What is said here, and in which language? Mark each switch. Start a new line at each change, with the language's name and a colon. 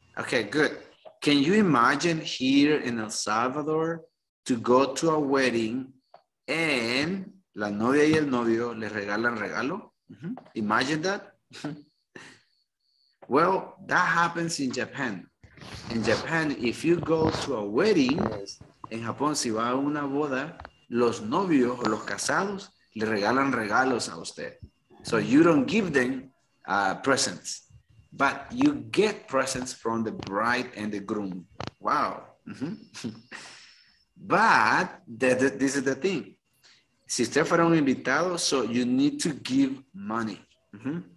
English: Okay, good. Can you imagine here in El Salvador to go to a wedding and la novia y el novio le regalan regalo? Mm-hmm. Imagine that. Well, that happens in Japan. In Japan, if you go to a wedding, yes.
Spanish: En Japón, si va a una boda, los novios o los casados le regalan regalos a usted.
English: So you don't give them presents, but you get presents from the bride and the groom. Wow. Mm-hmm. But this is the thing. Si usted fuera un invitado, so you need to give money. Mm-hmm.